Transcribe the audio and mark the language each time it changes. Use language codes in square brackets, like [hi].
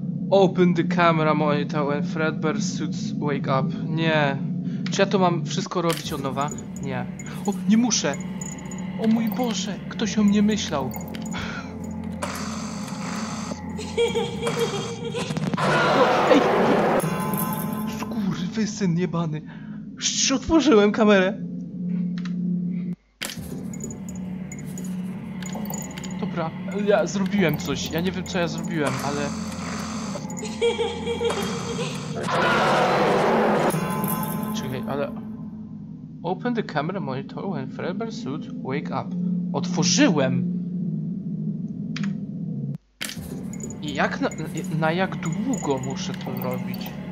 [en] Open the camera monitor when Fredbear's suits wake up. [pl] Nie. Czy ja to mam wszystko robić od nowa? Nie. O, nie muszę. O mój Boże, ktoś o mnie myślał. O, ej. Skurwysyn jebany. Już otworzyłem kamerę. Dobra, ja zrobiłem coś. Ja nie wiem, co ja zrobiłem, ale... Czekaj, ale... [en] Open the camera monitor when Fredbear's suit wake up. [pl] Otworzyłem! I jak na jak długo muszę to robić?